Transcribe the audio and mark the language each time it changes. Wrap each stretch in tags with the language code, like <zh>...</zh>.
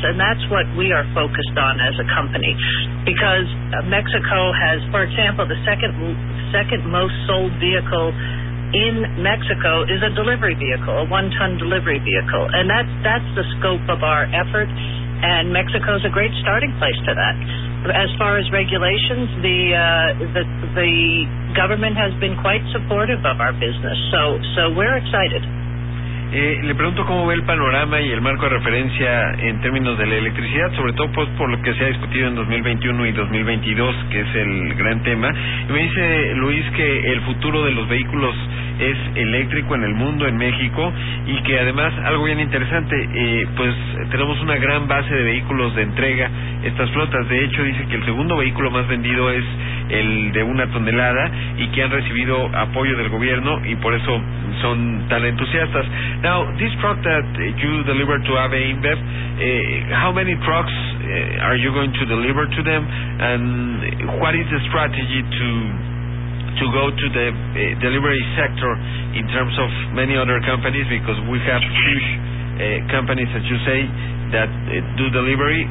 <en>And that's what we are focused on as a company, because Mexico has, for example, the second most sold vehicle in Mexico is a delivery vehicle, a one-ton delivery vehicle. And that's the scope of our effort, and Mexico's a great starting place for that. As far as regulations, the government has been quite supportive of our business, so we're excited.</en> <es>Le pregunto cómo ve el panorama y el marco de referencia en términos de la electricidad, sobre todo pues por lo que se ha discutido en 2021 y 2022, que es el gran tema. Y me dice Luis que el futuro de los vehículos es eléctrico en el mundo, en México, y que además, algo bien interesante, pues tenemos una gran base de vehículos de entrega, estas flotas. De hecho, dice que el segundo vehículo más vendido es el de una tonelada y que han recibido apoyo del gobierno y por eso son tan entusiastas.</es> <en>Now, this truck that you delivered to AVE InBev, how many trucks are you going to deliver to them, and what is the strategy to go to the delivery sector in terms of many other companies, because we have huge companies, as you say, that do delivery.</en>